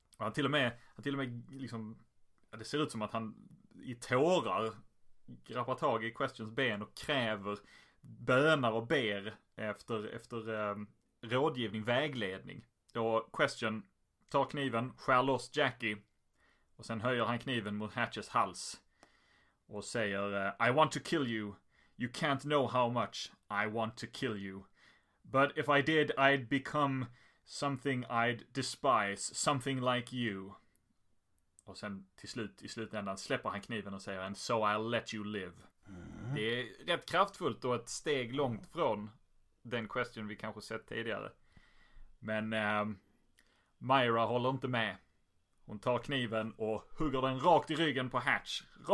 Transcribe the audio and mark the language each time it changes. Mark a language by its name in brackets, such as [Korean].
[Swedish] Och han till och med liksom, ja, det ser ut som att han i tårar grappar tag i Questions ben och kräver, bönar och ber efter rådgivning, vägledning. Då Question tar kniven, skär loss Jackie och sen höjer han kniven mot Hatches hals och säger [English] I want to kill you. You can't know how much I want to kill you. But if I did, I'd become something I'd despise. Something like you. [Swedish] Och sen till slut, i slutändan, släpper han kniven och säger [English] And so I'll let you live. [Swedish] Mm. Det är rätt kraftfullt och ett steg långt från den question vi kanske sett tidigare. Men Myra håller inte med. Hon tar kniven och hugger den rakt i ryggen på Hatch.